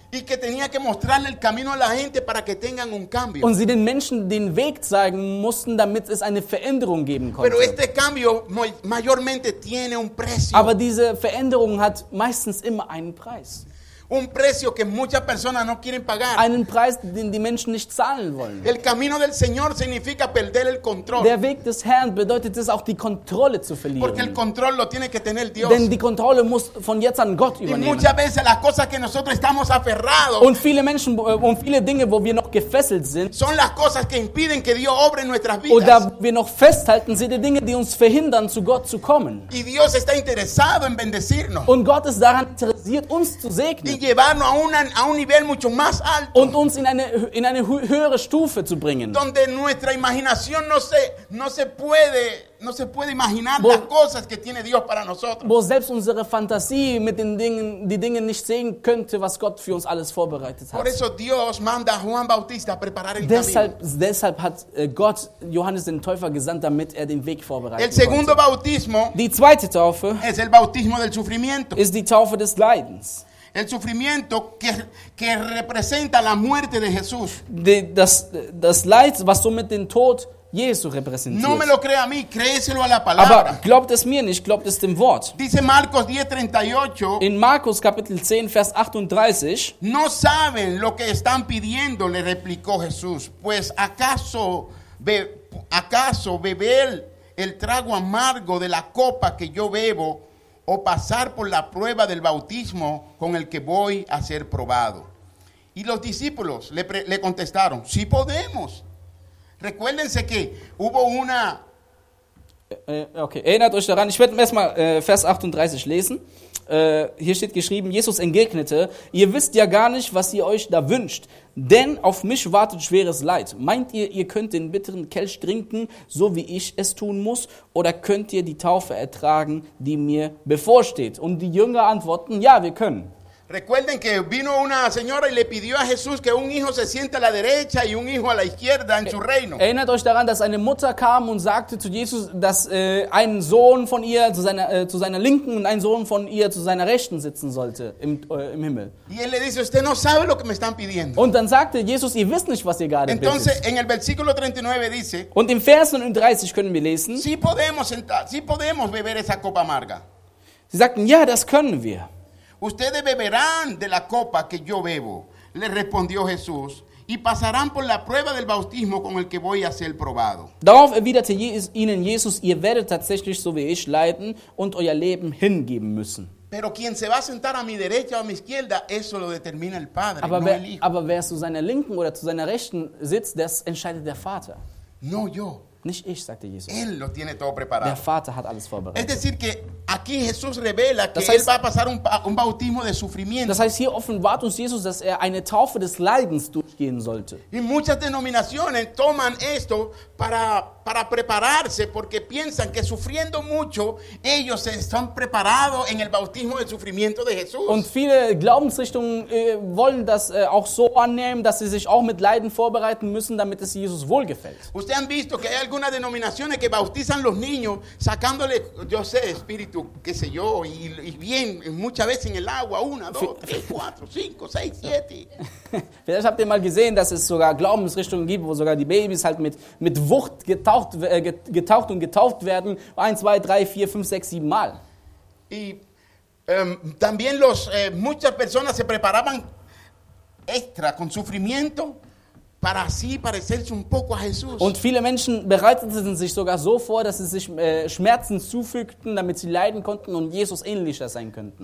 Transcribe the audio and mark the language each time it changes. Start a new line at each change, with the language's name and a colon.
Spanish: Y que tenía que mostrarle el camino a la gente para que tengan un cambio.
German: Und sie den Menschen den Weg zeigen mussten, damit es eine Veränderung geben konnte.
Spanish: Pero este cambio mayormente tiene un precio.
German: Aber diese Veränderung hat meistens immer einen Preis.
Spanish: Un precio que muchas personas no quieren pagar.
German: Einen Preis, den die Menschen nicht zahlen wollen.
Spanish: El camino del Señor significa perder el control.
German: Der Weg des Herrn bedeutet es auch, die Kontrolle zu verlieren.
Spanish: Porque el control lo tiene que tener Dios.
German: Denn die Kontrolle muss von jetzt an Gott übernehmen.
Spanish: Y muchas veces las cosas que nosotros estamos aferrados.
German: Und viele Menschen und viele Dinge, wo wir noch gefesselt sind.
Spanish: Son las cosas que impiden que Dios obre en nuestras vidas.
German: Oder wir noch festhalten, sind die Dinge, die uns verhindern, zu Gott zu kommen.
Spanish: Y Dios está interesado en bendecirnos.
German: Und Gott ist daran interessiert, uns zu segnen.
Spanish: llevarnos a un nivel mucho más alto.
German: Und uns in eine höhere Stufe zu bringen.
Spanish: Donde nuestra imaginación no se puede imaginar las cosas que tiene Dios para nosotros.
German: Wo selbst unsere Fantasie mit den Dingen, die Dinge nicht sehen könnte, was Gott für uns alles vorbereitet hat.
Spanish: Por eso Dios manda a Juan Bautista a preparar el
German: deshalb,
Spanish: camino.
German: Deshalb hat Gott Johannes den Täufer gesandt, damit er den Weg vorbereitet.
Spanish: El segundo Bautismo.
German: Die zweite Taufe.
Spanish: Es el bautismo del sufrimiento.
German: Ist die Taufe des Leidens.
Spanish: El sufrimiento que representa la muerte de Jesús.
German: Das Leid, was somit den Tod Jesus repräsentiert.
Spanish: No me lo crea a mí, créeselo a la palabra.
German: Aber glaubt es mir nicht, glaubt es dem Wort.
Spanish: Dice Marcos 10:38.
German: In Markus Kapitel 10 Vers 38.
Spanish: No saben lo que están pidiendo, le replicó Jesús. Pues acaso beber el trago amargo de la copa que yo bebo o pasar por la prueba del bautismo con el que voy a ser probado. Y los discípulos le contestaron, sí podemos. Recuérdense que hubo una...
German: Okay, erinnert euch daran, ich werde erstmal Vers 38 lesen. Hier steht geschrieben, Jesus entgegnete, ihr wisst ja gar nicht, was ihr euch da wünscht, denn auf mich wartet schweres Leid. Meint ihr, ihr könnt den bitteren Kelch trinken, so wie ich es tun muss, oder könnt ihr die Taufe ertragen, die mir bevorsteht? Und die Jünger antworten, ja, wir können.
Spanish: Recuerden que vino una señora y le pidió a Jesús que un hijo se siente a la derecha y un hijo a la izquierda en su reino.
German: Erinnert euch daran, dass eine Mutter kam und sagte zu Jesus, dass ein Sohn von ihr zu seiner linken und ein Sohn von ihr zu seiner rechten sitzen sollte im Himmel.
Spanish: Y él le dice, usted no sabe lo que me están pidiendo.
German: Und dann sagte Jesus, ihr wisst nicht, was ihr gerade bittet.
Spanish: Entonces, en el versículo 39 dice.
German: Und im Vers 39 können wir lesen.
Spanish: Sí podemos beber esa copa amarga.
German: Sie sagten, ja, das können wir.
Spanish: Ustedes beberán de la copa que yo bebo, le respondió Jesús, y pasarán por la prueba del bautismo con el que voy a ser probado.
German: Darauf erwiderte ihnen Jesus, ihr werdet tatsächlich so wie ich leiden und euer Leben hingeben müssen.
Spanish: Pero quien se va a sentar a mi derecha o a mi izquierda, eso lo determina el Padre,
German: aber
Spanish: no
German: wer,
Spanish: el Hijo.
German: Aber wer zu seiner linken oder zu seiner rechten sitzt, das entscheidet der Vater.
Spanish: No yo.
German: Nicht ich, sagte Jesus.
Spanish: Él lo tiene todo preparado.
German: Der Vater hat alles vorbereitet.
Spanish: Es decir que aquí Jesús revela que él va a pasar un bautismo de sufrimiento.
German: Das heißt, hier offenbart uns Jesus, dass er eine Taufe des Leidens durchgehen sollte.
Spanish: Y muchas denominaciones toman esto para prepararse porque piensan que sufriendo mucho ellos están preparados en el bautismo del sufrimiento de Jesús.
German: Und viele Glaubensrichtungen wollen das auch so annehmen, dass sie sich auch mit Leiden vorbereiten müssen, damit es Jesus wohlgefällt.
Spanish: Usted han visto que hay algunas denominaciones que bautizan los niños sacándole, yo sé, espíritu, qué sé yo, y bien, muchas veces en el agua, una, dos, tres, cuatro, cinco, seis, siete.
German: Vielleicht habt ihr mal gesehen, dass es sogar Glaubensrichtungen gibt, wo sogar die Babys halt mit Wucht getaucht und getauft werden, 1, 2, 3, 4, 5, 6, 7 Mal.
Spanish: Y también los muchas personas se preparaban extra con sufrimiento para así parecerse un poco a Jesús.
German: Und viele Menschen bereiteten sich sogar so vor, dass sie sich Schmerzen zufügten, damit sie leiden konnten und Jesus ähnlicher sein könnten.